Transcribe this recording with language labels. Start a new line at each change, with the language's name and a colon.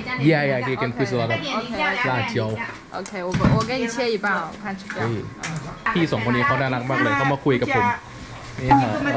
English: ？Yeah, yeah, you can put a lot of 辣椒。
Chinese: Okay, 我给你切一半，我看吃不了。
Thai: พี่สองคนนี้เขาน่ารักมากเลยเขามาคุยกับผมนี่ฮะ